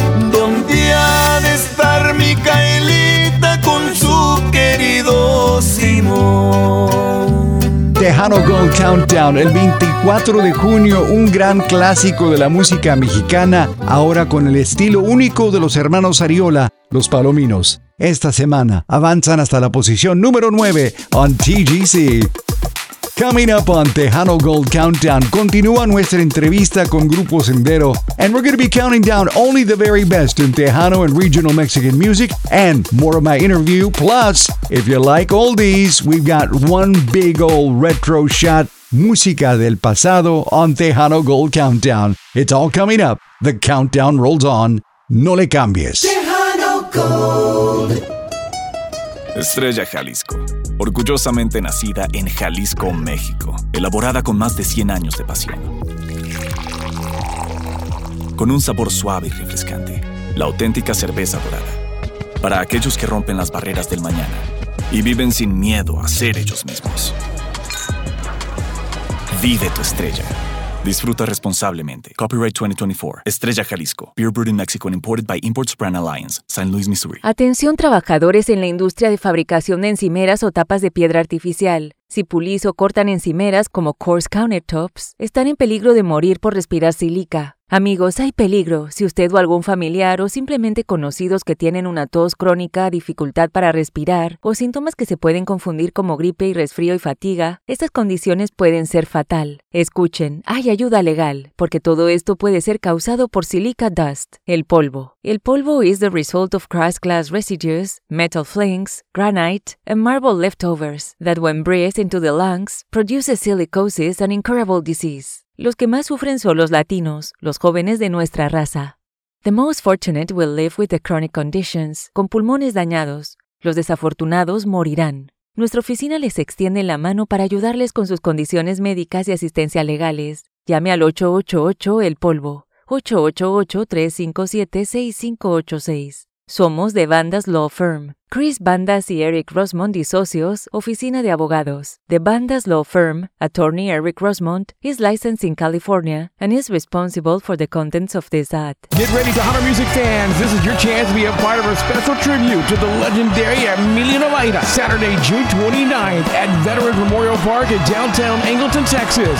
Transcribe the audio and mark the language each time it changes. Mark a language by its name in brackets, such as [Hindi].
[Spanish] ¿Dónde ha de estar Micaelita con su querido Simón? Tejano Gold Countdown, el 24 de junio, un gran clásico de la música mexicana, ahora con el estilo único de los hermanos Ariola, Los Palominos. Esta semana avanzan hasta la posición número 9 on TGC. [English] Coming up on Tejano Gold Countdown, [Spanish] continúa nuestra entrevista con Grupo Sendero, [English] and we're going to be counting down only the very best in Tejano and regional Mexican music, and more of my interview. Plus, if you like oldies, we've got one big old retro shot, [Spanish] música del pasado, [English] on Tejano Gold Countdown. It's all coming up. The countdown rolls on. [Spanish] No le cambies. [English] Tejano Gold. [Spanish] Estrella Jalisco. Orgullosamente nacida en Jalisco, México. Elaborada con más de 100 años de pasión. Con un sabor suave y refrescante. La auténtica cerveza dorada. Para aquellos que rompen las barreras del mañana y viven sin miedo a ser ellos mismos. Vive tu estrella. Disfruta responsablemente. Copyright 2024. Estrella Jalisco. [English] Beer brewed in Mexico and imported by Imports Brand Alliance. San Luis, Missouri. [Spanish] Atención trabajadores en la industria de fabricación de encimeras o tapas de piedra artificial. Si pulís o cortan encimeras como coarse countertops, están en peligro de morir por respirar sílica. Amigos, hay peligro. Si usted o algún familiar o simplemente conocidos que tienen una tos crónica, dificultad para respirar o síntomas que se pueden confundir como gripe y resfrío y fatiga, estas condiciones pueden ser fatal. Escuchen, hay ayuda legal, porque todo esto puede ser causado por [English] silica dust, [Spanish] el polvo. [English] El polvo is the result of crushed glass residues, metal flakes, granite, and marble leftovers that when breathed into the lungs, produces silicosis and incurable disease. [Spanish] Los que más sufren son los latinos, los jóvenes de nuestra raza. [English] The most fortunate will live with the chronic conditions, [Spanish] con pulmones dañados. Los desafortunados morirán. Nuestra oficina les extiende la mano para ayudarles con sus condiciones médicas y asistencia legales. Llame al 888-EL-POLVO, 888-357-6586. Somos de Bandas Law Firm. Chris Bandas y Eric Rosmond y socios, oficina de abogados. [English] The Bandas Law Firm, attorney Eric Rosmond, is licensed in California and is responsible for the contents of this ad. Get ready to Hunter Music fans. This is your chance to be a part of a special tribute to the legendary Emilio Navaira. Saturday, June 29th at Veterans Memorial Park in downtown Angleton, Texas.